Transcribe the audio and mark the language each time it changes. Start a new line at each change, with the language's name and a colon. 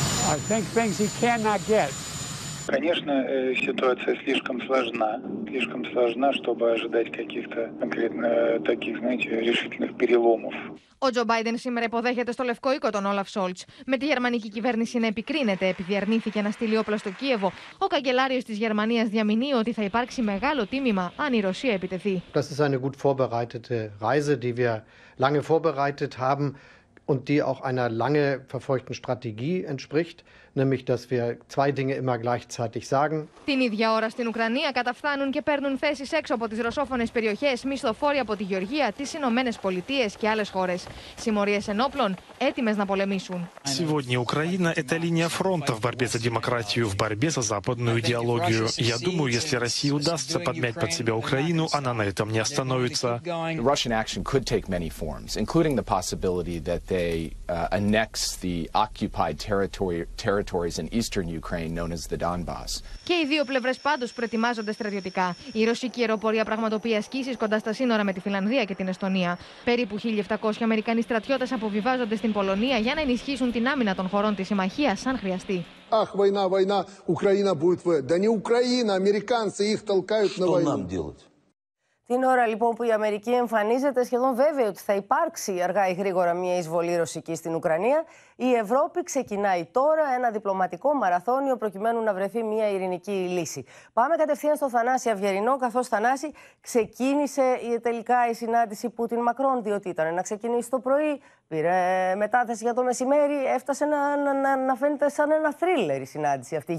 English: I think things he cannot get.
Russian: Конечно, ситуация слишком сложна, чтобы ожидать каких-то конкретно таких, знаете, решительных переломов.
Greek: Ο Τζο Μπάιντεν σήμερα υποδέχεται στο Λευκό Οίκο τον Όλαφ Σόλτς. Με τη γερμανική κυβέρνηση να επικρίνεται επειδή αρνήθηκε να στείλει όπλα στο Κίεβο, ο καγκελάριος της Γερμανίας διαμηνύει ότι θα υπάρξει μεγάλο τίμημα αν η Ρωσία επιτεθεί.
German: Das ist eine gut vorbereitete Reise, die wir lange vorbereitet haben und die auch einer lange verfolgten Strategie entspricht. Nämlich, dass wir zwei Dinge immer gleichzeitig sagen.
Greek: Την ίδια ώρα στην Ουκρανία καταφθάνουν και παίρνουν θέσεις έξω από τις ρωσόφωνες περιοχές μισθοφόροι από τη Γεωργία, τις Ηνωμένες Πολιτείες και άλλες χώρες. Συμμορίες ενόπλων έτοιμες να πολεμήσουν.
Russian: Сегодня Украина – это линия фронта в борьбе за демократию, в борьбе за западную идеологию. Я думаю, если России удастся подмять под себя Украину, она на этом не остановится.
English: Russian action could take many forms, including the possibility that they annex the occupied territories in eastern Ukraine known as the Donbas.
Greek: Και οι δύο πλευρές πάντως προετοιμάζονται στρατιωτικά. Η ρωσική αεροπορία πραγματοποιεί ασκήσεις κοντά στα σύνορα με τη Φινλανδία και την Εστονία. Περίπου 1.700 Αμερικανοί στρατιώτες αποβιβάζονται στην Πολωνία για να ενισχύσουν την άμυνα των χωρών της συμμαχίας αν χρειαστεί.
Russian: Ах, война, война, Украина будет в. Да не Украина, американцы их толкают на войну. Что нам делать?
Greek: Την ώρα λοιπόν που η Αμερική εμφανίζεται σχεδόν βέβαιη ότι θα υπάρξει αργά ή γρήγορα μια εισβολή ρωσική στην Ουκρανία, η Ευρώπη ξεκινάει τώρα ένα διπλωματικό μαραθώνιο προκειμένου να βρεθεί μια ειρηνική λύση. Πάμε κατευθείαν στο Θανάση Αυγερινό, καθώς Θανάση ξεκίνησε τελικά η συνάντηση Πούτιν-Μακρόν, διότι ήταν να ξεκινήσει το πρωί, πήρε μετάθεση για το μεσημέρι, έφτασε να φαίνεται σαν ένα θρίλερ η συνάντηση αυτή.